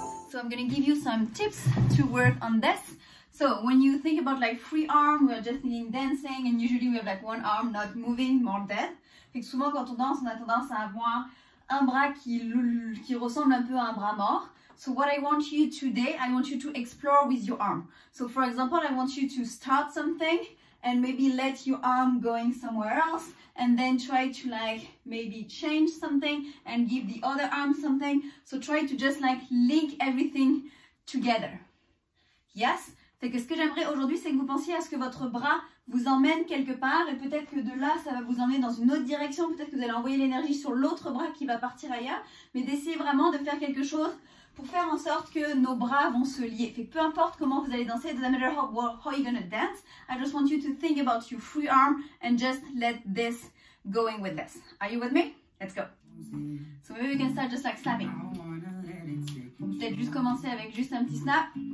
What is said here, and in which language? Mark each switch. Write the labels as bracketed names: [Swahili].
[English] So I'm gonna give you some tips to work on this. So when you think about like free arm, we're just thinking dancing, and usually we have like one arm not moving, more dead. [French] Fait que souvent quand on danse, on a tendance à avoir un bras qui ressemble un peu à un bras mort. [English] So what I want you today, I want you to explore with your arm. So for example, I want you to start something and maybe let your arm going somewhere else and then try to like maybe change something and give the other arm something. So try to just like link everything together. Yes? [French] Fait que ce que j'aimerais aujourd'hui, c'est que vous pensiez à ce que votre bras vous emmène quelque part et peut-être que de là, ça va vous emmener dans une autre direction. Peut-être que vous allez envoyer l'énergie sur l'autre bras qui va partir ailleurs. Mais d'essayer vraiment de faire quelque chose pour faire en sorte que nos bras vont se lier. Fait que peu importe comment vous allez danser, [English] it doesn't matter how you're gonna dance, I just want you to think about your free arm and just let this going with this. Are you with me? Let's go. So maybe we can start just like slapping. [French] Peut-être juste commencer avec juste un petit snap.